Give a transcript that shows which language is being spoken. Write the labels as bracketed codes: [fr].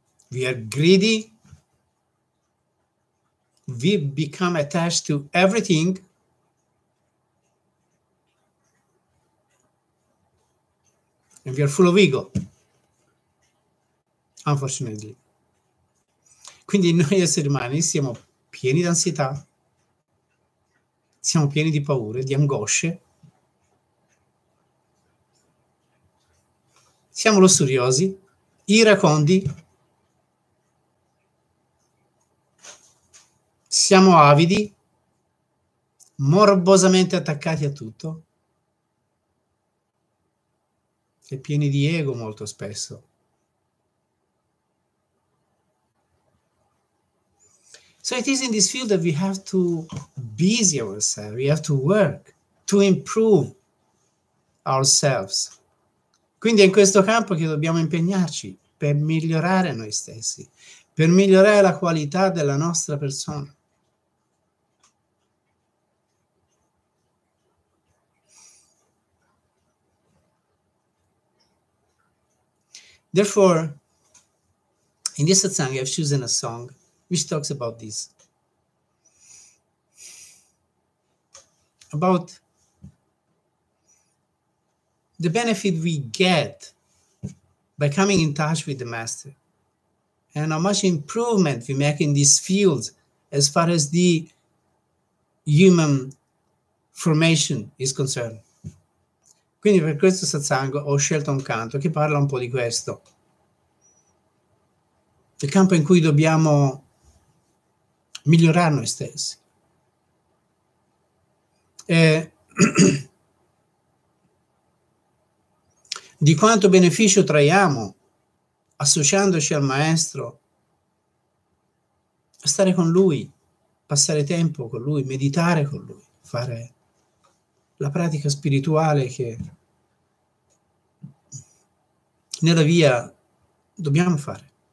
[en] We are greedy. We become attached to everything. And we are full of ego, unfortunately. [it] Quindi noi esseri umani siamo pieni di ansietà, siamo pieni di paure, di angosce. Siamo lussuriosi, iracondi. Siamo avidi, morbosamente attaccati a tutto e pieni di ego molto spesso. [en] So it is in this field that we have to busy ourselves, we have to work to improve ourselves. [it] Quindi è in questo campo che dobbiamo impegnarci per migliorare noi stessi, per migliorare la qualità della nostra persona. [en] Therefore, in this satsang, I've chosen a song which talks about this, about the benefit we get by coming in touch with the Master and how much improvement we make in this field as far as the human formation is concerned. [it] Quindi per questo satsang ho scelto un canto che parla un po' di questo. Il campo in cui dobbiamo migliorare noi stessi. E di quanto beneficio traiamo associandoci al Maestro, a stare con Lui, passare tempo con Lui, meditare con Lui, fare la pratica spirituale che nella via dobbiamo fare.